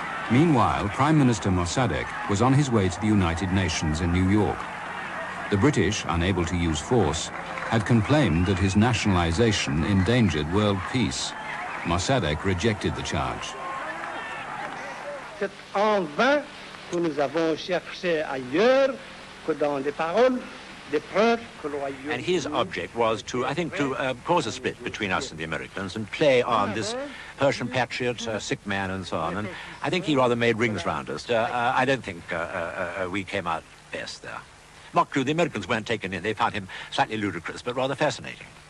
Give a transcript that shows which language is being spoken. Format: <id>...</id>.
<en>Meanwhile, Prime Minister Mossadegh was on his way to the United Nations in New York. The British, unable to use force, had complained that his nationalization endangered world peace. Mossadegh rejected the charge.</en> <fr>C'est en vain que nous avons cherché ailleurs que dans les paroles, des preuves que l'on.</fr> <en>And his object was to, I think, to cause a split between us and the Americans and play on this Persian patriot, sick man, and so on. And I think he rather made rings around us. I don't think we came out best there. Mock you, the Americans weren't taken in. They found him slightly ludicrous, but rather fascinating.</en>